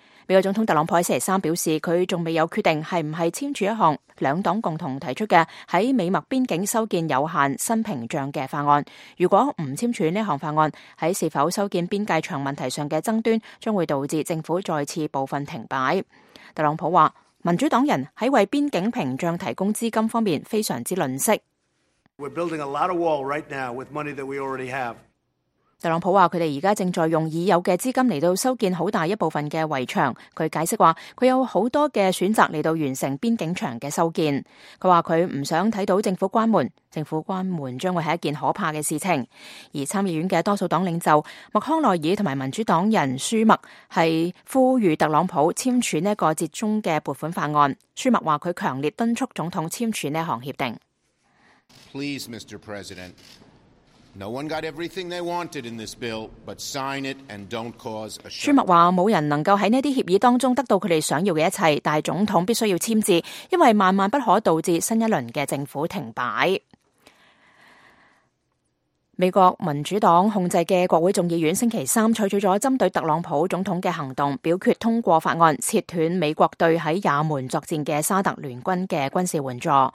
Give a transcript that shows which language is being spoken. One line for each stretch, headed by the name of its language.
Chinese: 美国总统特朗普在星期三表示，他还未有决定是不是签署一项两党共同提出的在美墨边境修建有限新屏障的法案。如果不签署这项法案，在是否修建边界墙问题上的争端将会导致政府再次部分停摆。特朗普说，民主党人在为边境屏障提供资金方面非常之吝啬。
English: We're building a lot of wall right now with money that we already have.
Chinese: 特朗普说他们现在正在用已有的资金来到修建很大一部分的围墙。他解释说他有很多的选择来到完成边境墙的修建。他说他不想看到政府关门，政府关门将会是一件可怕的事情。而参议院的多数党领袖麦康奈尔和民主党人舒默是呼吁特朗普签署这个折中的拨款法案。舒默说他强烈敦促总统签署这项协定。
English: Please, Mr. President, no one got everything they wanted in this bill, but sign it and don't cause a shutdown.
Chinese: 舒默说没人能够在这些协议当中得到他们想要的一切，但总统必须要签字，因为万万不可导致新一轮的政府停摆。美国民主党控制的国会众议院星期三采取了针对特朗普总统的行动，表决通过法案切断美国对在也门作战的沙特联军的军事援助。